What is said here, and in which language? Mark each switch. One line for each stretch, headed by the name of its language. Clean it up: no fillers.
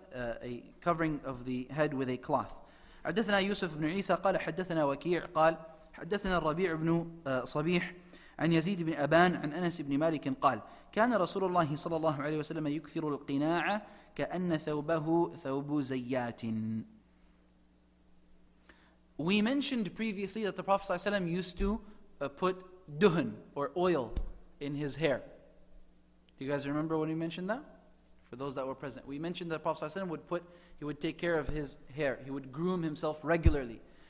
English: A covering of the head with a cloth.
Arabic: عدثنا يوسف بن عيسى قال حدثنا وكيع قال حدثنا الربيع بن صبيح عن يزيد بن أبان عن أنس بن مالك قال كان رسول الله صلى الله عليه وسلم يكثر القناع كأن ثوبه ثوب زيات.
English: We mentioned previously that the Prophet
Arabic: صلى الله عليه وسلم
English: used to put duhun, or oil, in his hair. Do you guys remember when we mentioned that? For those that were present. We mentioned that Prophet ﷺ would take care of his hair. He would groom himself regularly.